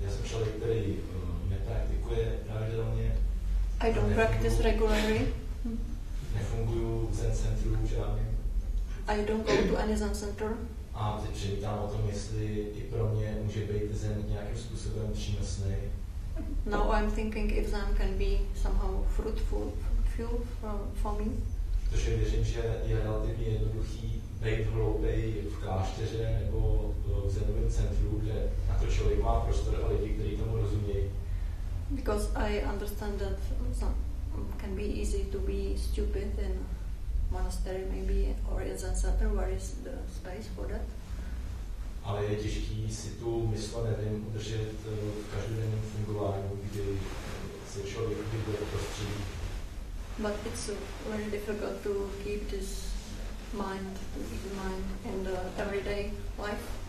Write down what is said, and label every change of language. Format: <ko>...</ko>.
<cs>člověk, který nepraktikuje pravidelně.</cs> <en>I don't practice regularly.</en> <cs>Nefunguju v Zen centru žádný.</cs> <en>I don't go to any Zen center.</en> <cs>A teď přivítám o tom, jestli i pro mě může být Zen nějakým způsobem přínosný.</cs> <en>Now I'm thinking if Zen can be somehow fruitful for me.</en> <cs>Protože věřím, že je relativně jednoduchý být hloupej v klášteře nebo v Zenovém centru, kde na to člověk má prostor a lidi, kteří tomu rozumějí.</cs> <en>Because I understand that can be easy to be stupid in a monastery maybe or in Zen center, where is the space for that?</en> <cs>Ale je těžký si tu mysl, nevím, udržet v každodenním fungování, kdy se člověk vyjde do prostředí.</cs> <en>But it's very difficult to keep this mind, to keep the mind in the everyday life.</en>